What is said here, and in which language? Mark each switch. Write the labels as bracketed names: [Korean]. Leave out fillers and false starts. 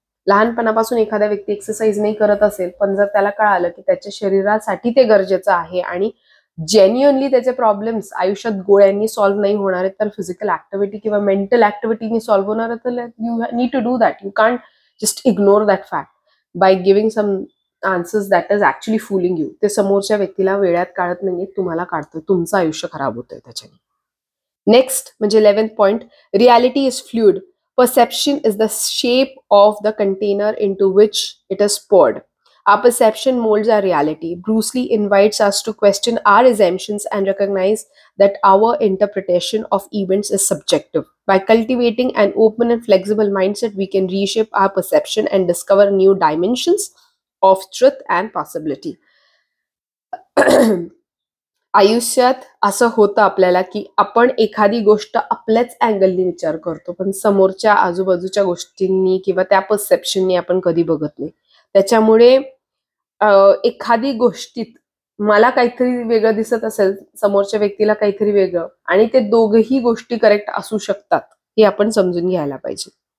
[Marathi] लहानपणापासून एखादा व्यक्ती एक्सरसाइज नाही करत असेल पण जर त्याला कळालं की त्याच्या शरीरासाठी ते गरजेचं आहे आणि जेन्युअनली त्याचे प्रॉब्लेम्स आयुष्यात गोळ्यांनी सॉल्व्ह नाही होणार आहेत तर फिजिकल ऍक्टिव्हिटी किंवा मेंटल ऍक्टिव्हिटीनी सॉल्व्ह होणार आहे, तर [English] You need to do that. You can't just ignore that fact by giving some answers that is actually fooling you. [Marathi] ते समोरच्या व्यक्तीला वेळात काढत नाही, तुम्हाला काढतं, तुमचं आयुष्य खराब होतंय त्याच्याने. नेक्स्ट म्हणजे 11th point, [English] Reality is fluid. Perception is the shape of the container into which it is poured. Our perception molds our reality. Bruce Lee invites us to question our assumptions and recognize that our interpretation of events is subjective. By cultivating an open and flexible mindset, we can reshape our perception and discover new dimensions of truth and possibility. [Marathi] आयुष्यात असं होतं आपल्याला की आपण एखादी गोष्ट आपल्याच अँगलनी विचार करतो पण समोरच्या आजूबाजूच्या गोष्टींनी किंवा त्या पर्सेप्शननी आपण कधी बघत नाही. त्याच्यामुळे एखादी गोष्टीत मला काहीतरी वेगळं दिसत असेल, समोरच्या व्यक्तीला काहीतरी वेगळं, आणि ते दोघही गोष्टी करेक्ट असू शकतात हे आपण समजून घ्यायला पाहिजे.